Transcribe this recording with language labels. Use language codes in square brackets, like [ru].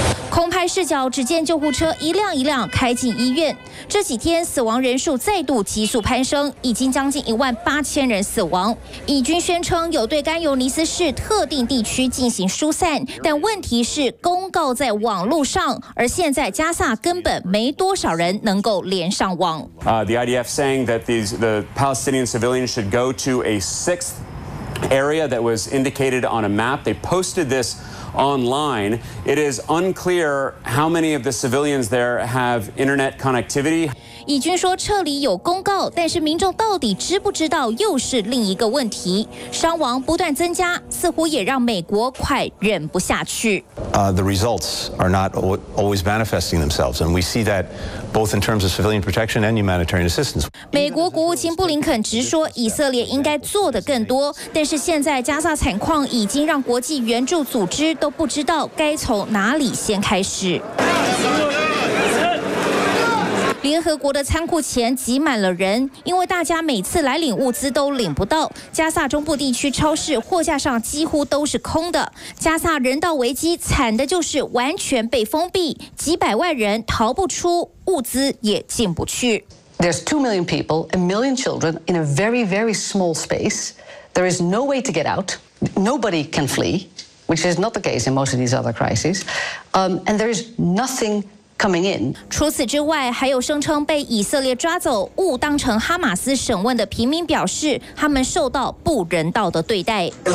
[zh] 空拍视角只见救护车一辆一辆开进医院，这几天死亡人数再度急速攀升，已经将近18000人死亡。以军宣称有对甘尤尼斯市特定地区进行疏散，但问题是公告在网络上，而现在加萨根本没多少人能够连上网。 [en] The IDF saying that the Palestinian civilians should go to a sixth area that was indicated on a map. They posted this online. It is unclear how many of the civilians there have internet connectivity. [zh] 以军说撤离有公告，但是民众到底知不知道又是另一个问题。伤亡不断增加，似乎也让美国快忍不下去。 [en] The results are not always manifesting themselves, and we see that both in terms of civilian protection and humanitarian assistance. [zh] 美国国务卿布林肯直说，以色列应该做得更多，但是现在加萨惨况已经让国际援助组织都不知道该从哪里先开始。联合国的仓库前挤满了人，因为大家每次来领物资都领不到。加萨中部地区超市货架上几乎都是空的。加萨人道危机惨的就是完全被封闭，几百万人逃不出，物资也进不去。 [en] There's 2 million people, a million children in a very, very small space. There is no way to get out. Nobody can flee, which is not the case in most of these other crises. And there is nothing. Coming in. [zh] 除此之外，还有声称被以色列抓走、误当成哈马斯审问的平民表示，他们受到不人道的对待。